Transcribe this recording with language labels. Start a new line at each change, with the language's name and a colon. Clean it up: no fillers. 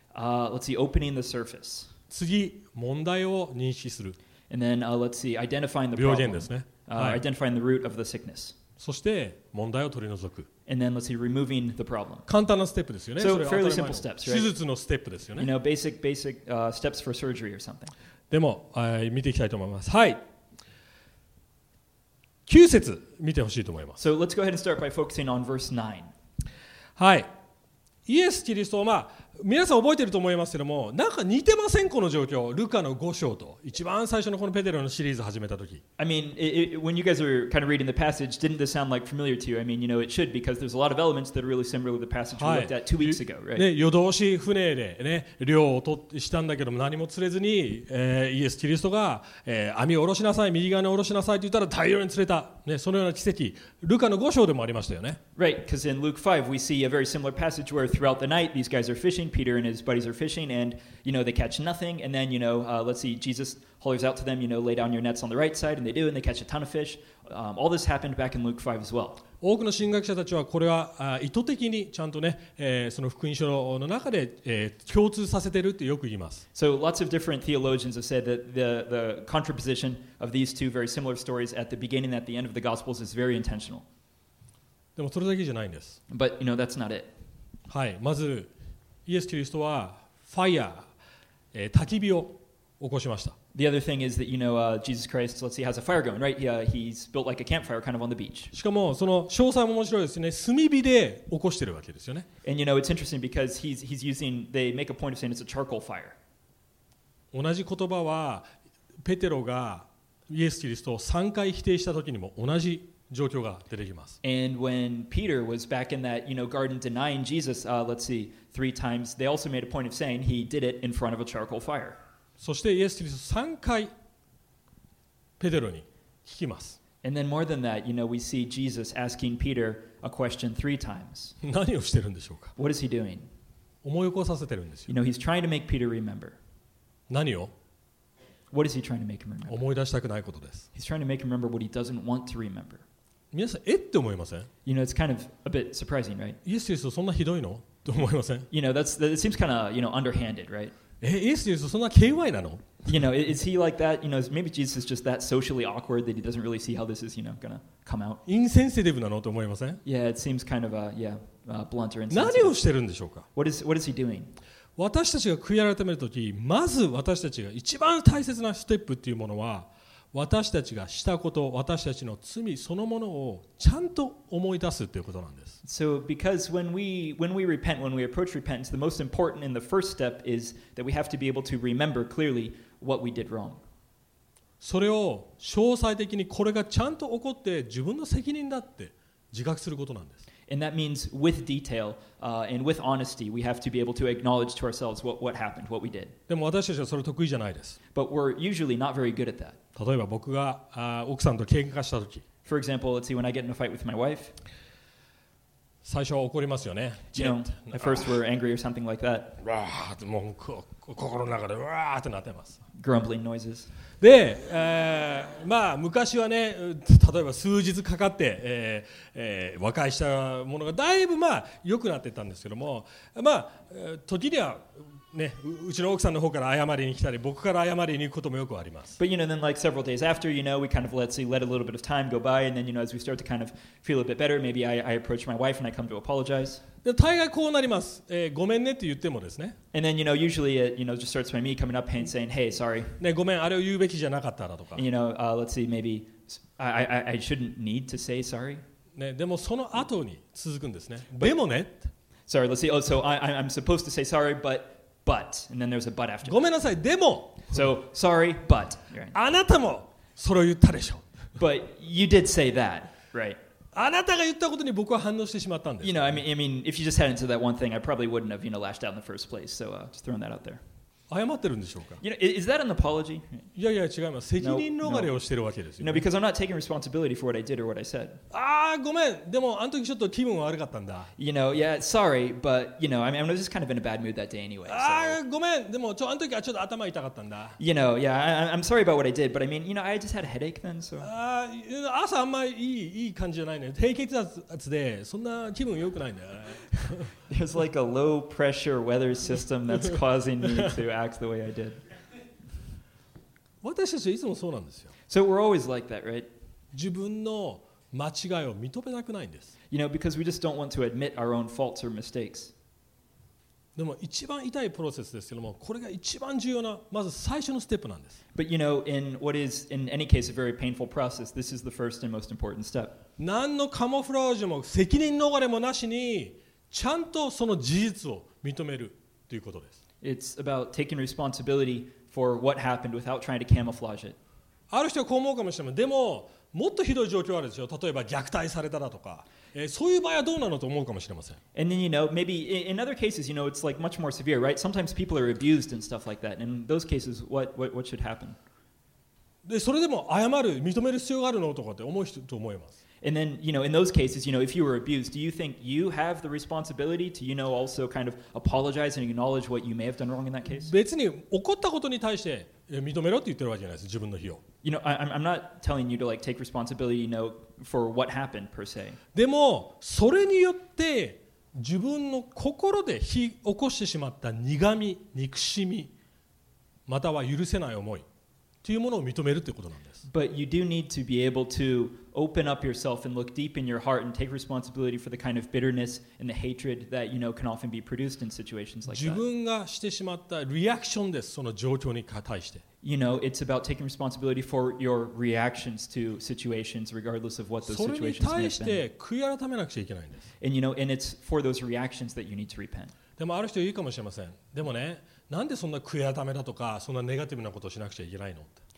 English: Let's see, opening the surface.
Japanese: 次、問題を認識する。
English: And then, let's see, identifying the problem.
Japanese: 病原ですね。
English: Identifying the root of the sickness.
Japanese: そして問題を取り除く。
English: And then let's see, removing the problem.
Japanese: 簡単なステップですよね。
English: So fairly simple steps, right?
Japanese: 手術のステップですよね。
English: You know, basic steps for surgery or something.
Japanese: でも、見ていきたいと思います。はい。 9節見てほしいと思います。
English: So let's go ahead and start by focusing on verse 9.
Japanese: はい。イエス・キリストは、まあ、皆さん覚えてると思いますけども、なんか似てません、この状況。ルカの5章と、一番最初のこのペテロのシリーズを始めたとき。
English: I mean, when you guys were kind of reading the passage, didn't this sound like familiar to you? I mean, you know, it should, because there's a lot of elements that are really similar with the passage we looked at 2 weeks ago, right?
Japanese: ね、夜通し船でね、漁をしたんだけども、何も釣れずに、イエス・キリストが、網を下ろしなさい、右側に下ろしなさいと言ったら、大量に釣れた。ね、そのような奇跡、ルカの5章でもありましたよね。
English: Right, because in Luke 5, we see a very similar passage where throughout the night, these guys are fishing. Peter and his buddies are fishing, and you know they catch nothing. And then you know, let's see, Jesus hollers out to them, you know, lay down your nets on the right side, and they do, and they catch a ton of fish. All this happened back in Luke 5 as well.
Japanese: 多くの神学者たちはこれは意図的にちゃんとね、その福音書の中で、共通させてるってよく言います。
English: So lots of different theologians have said that the contraposition of these two very similar stories at the beginning and at the end of the Gospels is very intentional.
Japanese: でもそれだけじゃないんです。
English: But you know that's not it.
Japanese: はい、まずイエス・キリストはファイヤー、焚き火を起こしました。
English: The other thing is that, you know, Jesus Christ, let's see, has a fire going, right? He's built like a campfire kind of on the beach.
Japanese: しかも、その詳細も面白いですね。炭火で起こしてるわけですよね。
English: And, you know, it's interesting because he's using, they make a point of saying it's a charcoal fire.
Japanese: 同じ言葉は、ペテロがイエス・キリストを3回否定した時にも同じ状況が出てきます。
English: And when Peter was back in that, you know, garden denying Jesus, let's see,three times they also made a point of saying he did it in front of a charcoal fire.
Japanese: そしてイエス・キリスト三回ペテロに聞きます。
English: And then more than that, you know, we see Jesus asking Peter a question three times.
Japanese: 何をしてるんでしょうか。
English: What is he doing?
Japanese: 思い起こさせてるんですよ。
English: You know, he's trying to make Peter remember.
Japanese: 何を。
English: What is he trying to make him remember?
Japanese: 思い出したくないことです。
English: He's trying to make him remember what he doesn't want to remember.
Japanese: 皆さんえって思いません。
English: You know, it's kind of a bit surprising, right?
Japanese: イエス・キリストそんなひどいの。
English: You know, that seems kind of, you know, underhanded, right? You know, is he like that? You know, maybe Jesus is just that socially awkward that he doesn't really see how this is, you know, going to come out.
Japanese: Insensitive なのと思いません?
English: Yeah, it seems kind of, blunt or insensitive.
Japanese: 何をしてるんでしょうか?
English: What is he doing?
Japanese: 私たちが悔い改めるとき、まず私たちが一番大切なステップっていうものは、私たちがしたこと、私たちの罪そのものをちゃんと思い出すということなんです。
English: So because when we repent, when we approach repentance, the most important and the first step is that we have to be able to remember clearly what we did wrong.
Japanese: それを詳細的にこれがちゃんと起こって自分の責任だって自覚することなんです。
English: And that means with detail, and with honesty, we have to be able to acknowledge to ourselves what happened, what we did.
Japanese: でも私たちはそれ得意じゃないです。
English: But we're usually not very good at that.
Japanese: 例えば僕が奥さんと喧嘩したとき。
English: For example, let's see, when I get in a fight with my wife.
Japanese: 最初は怒りますよね。
English: You know, at first we're angry or something like that.
Japanese: わーってもう心の中でわーってなってます。
English: Grumbling noises.
Japanese: で、まあ昔はね、例えば数日かかって、和解したものがだいぶまあ良くなってたんですけども、まあ時にはね、うちの奥さんの方から謝りに来たり、僕から謝りに行くこともよくあります。
English: But you know, then like several days after, you know, we kind of let a little bit of time go by, and then you know, as we start to kind of feel a bit better, maybe I approach my wife and I come to apologize.
Japanese: で大概こうなります、ごめんねって言ってもですね。
English: And then, you know, usually it, you know, just starts by me coming up and saying, hey, sorry.
Japanese: ね、ごめん、あれを言うべきじゃなかっただとか。
English: You know, let's see, maybe I shouldn't need to say sorry.
Japanese: ね、でもその後に続くんですね。 But, でもね。
English: Sorry, let's see, oh, so I'm supposed to say sorry, but, and then there's a but after.
Japanese: ごめんなさい、でも。
English: So, sorry, but.
Japanese: あなたもそれを言ったでしょ。
English: But you did say that, right?
Japanese: あなたが言ったことに僕は反応してしまったんです。
English: You know, I mean, if you just hadn't said that one thing, I probably wouldn't have, you know, lashed out in the first place. So, just throwing that out there.
Japanese: 謝ってるんでしょうか?
English: You know, is that an apology?
Japanese: いやいや違います。責任逃れをしてるわけですよ、ね。
English: No, because I'm not taking responsibility for what I did or what I said.
Japanese: ああ、ごめん。でもあの時ちょっと気分悪かったんだ。
English: You know, yeah, sorry, but you know, I mean, I was just kind of in a bad mood that day anyway.
Japanese: ああ、ごめん。でもあの時はちょっと頭痛かったんだ。
English: You know, yeah, I'm sorry about what I did, but I mean, you know, I just had a headache then, so.
Japanese: ああ、朝あんまりいい感じじゃないね。低血圧でそんな気分良くないんだよ。
English: It's like a low pressure weather system that's causing me to act the way I did.
Japanese: 私たちはいつもそうなんですよ。
English: So we're always like that, right?
Japanese: 自分の間違いを認めたくないんです。
English: You know, because we just don't want to admit our own faults or mistakes.
Japanese: でも一番痛いプロセスですけども、これが一番重要な、まず最初のステップなんです。
English: But you know, in what is, in any case, a very painful process, this is the first and most important step.
Japanese: 何のカモフラージュも責任逃れもなしに、ちゃんとその事実を認めるということです。
English: It's about taking responsibility for what happened without trying to camouflage it.
Japanese: ある人はこう思うかもしれません。でも、もっとひどい状況あるでしょ。例えば虐待されただとか、そういう場合はどうなのと思うかもしれません。
English: And then, you know, maybe in other cases, you know, it's like much more severe, right? Sometimes people are abused and stuff like that. And in those cases, what should happen?
Japanese: で、それでも謝る、認める必要があるのとかって思う人と思います。
English: And then, you know, in those cases, you know, if you were abused, do you think you have the responsibility to, you know, also kind of apologize and acknowledge what you may have done wrong in that case?
Japanese: 別に起こったことに対して認めろって言ってるわけじゃないです、自分の非を。
English: You know, I'm not telling you to like take responsibility, you know, for what happened per se.
Japanese: でもそれによって自分の心で火起こしてしまった苦味、憎しみ、または許せない思いというものを認めるということなんです。
English: But you do need to be able to open up yourself and look deep in your heart and take responsibility for the kind of bitterness and the hatred that you know can often be produced in situations like that.
Japanese: 自分がしてしまったリアクションです、その状況に対して。
English: You know, it's about taking responsibility for your reactions to situations, regardless of what those situations may have been.
Japanese: それに対して悔い改めなくちゃいけないんです。
English: And you know, and it's for those reactions that you need to repent.
Japanese: でもある人言うかもしれません。でもね、なんでそんな悔い改めだとか、そんなネガティブなことをしなくちゃいけないのって。